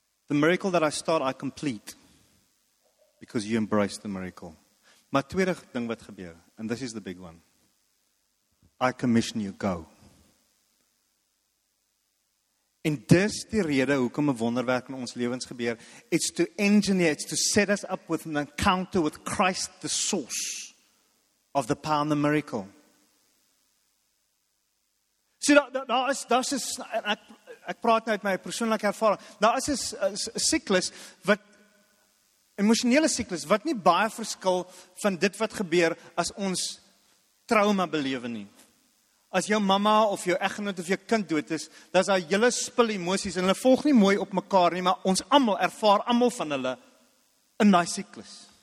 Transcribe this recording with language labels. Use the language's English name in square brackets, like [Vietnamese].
[English] The miracle that I start, I complete, because you embrace the miracle. [Afrikaans] Maar tweede ding wat gebeur, [English] and this is the big one, I commission you, go. [Afrikaans] En dis die rede hoekom 'n wonderwerk in ons lewens gebeur. [English] It's to engineer, it's to set us up with an encounter with Christ, the source of the power and the miracle. [Afrikaans] See, daar is, ek praat nou uit my persoonlike ervaring, daar is 'n cyclus wat emosionele cyclus, wat nie baie verskil van dit wat gebeur as ons trauma belewe nie. As jou mama of jou eggenoot of jou kind dood is, dat is daar julle spul emoties en hulle volg nie mooi op mekaar nie, maar ons allemaal ervaar allemaal van hulle in die cyclus.